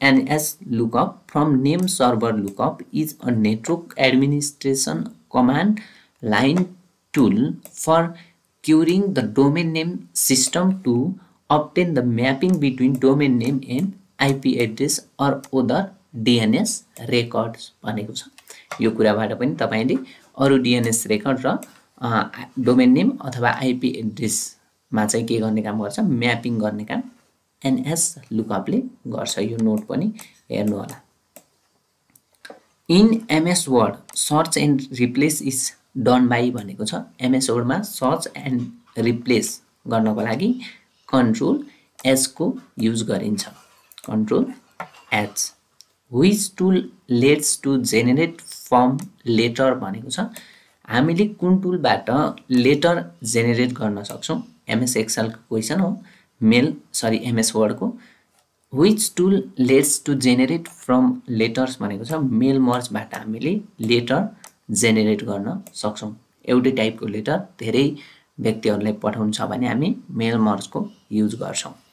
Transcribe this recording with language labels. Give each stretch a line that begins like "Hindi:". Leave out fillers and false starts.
English: NS lookup from name server lookup is a network administration command line tool for querying the domain name system to obtain the mapping between domain name and IP address or other DNS records
Nepali: भनेको छ. यो कुराबाट पनि तपाईले अरु DNS record र domain name अथवा IP address मा चाहिँ के गर्ने काम गर्छ, mapping गर्ने काम NS lookup ले गर्छ. यो नोट पनि हेर्नु होला.
English: In MS Word, search and replace is done by
Nepali: भनेको छ. MS Word मा search and replace गर्नको लागि control S को use गरिन्छ.
English: Control S. Which tool lets to generate form letter
Nepali: भनेको छ. हामीले कुन टुल बाट letter generate गर्न सक्छौ. MS Excel को question हो. Mail, sorry, MS Word को.
English: Which tool lets to generate from letters
Nepali: भनेको छ. मेल मर्ज बाट हामीले लेटर जेनेरेट गर्न सक्छौ. एउटै टाइपको लेटर धेरै व्यक्तिहरूलाई पठाउन छ भने हामी मेल मर्ज को युज गर्छौ.